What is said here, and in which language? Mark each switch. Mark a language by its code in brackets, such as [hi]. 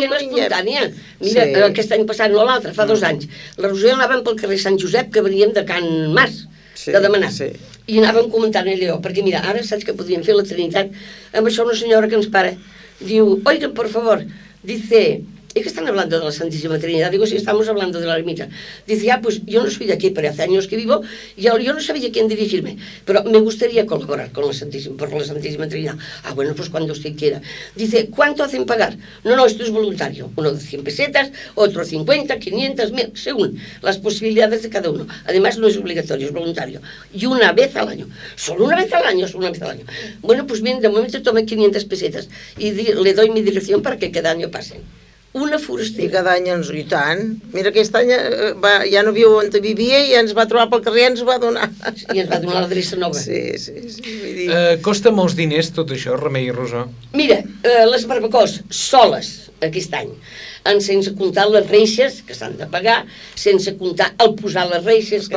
[ca] venir. No, gent espontània. Mira, sí. Aquest any passat, no l'altre, fa 2 anys, la Roser anàvem pel carrer Sant Josep, que veníem de Can Mas, sí, de demanar. Sí. I anàvem comentant allò, perquè mira, ara saps que podríem fer la Trinitat, amb això una senyora que ens para, diu, [es] oiga, por favor, dice, ¿y que están hablando de la Santísima Trinidad? Digo, sí, estamos hablando de la ermita. Dice, ah, pues yo no soy de aquí, pero hace años que vivo, y yo no sabía a quién dirigirme, pero me gustaría colaborar con la Santísima, por la Santísima Trinidad. Ah, bueno, pues cuando usted quiera. Dice, ¿cuánto hacen pagar? No, no, esto es voluntario. Uno de 100 pesetas, otro 50, 500, 1000, según las posibilidades de cada uno. Además, no es obligatorio, es voluntario. Y una vez al año. Solo una vez al año, solo una vez al año. Bueno, pues bien, de momento tome 500 pesetas y le doy mi dirección para que cada año pasen. Una forestera. [ca] I cada any ens ho tant. Mira, aquest any va, ja no viu on vivia i ens va trobar pel carrer i ens va donar. I ens va donar l'adreça nova. Sí, sí, sí. Costa molts diners tot això, Remei i Rosa? Mira, les barbacors soles aquest any, sense comptar les reixes que s'han de pagar, sense comptar el posar les reixes...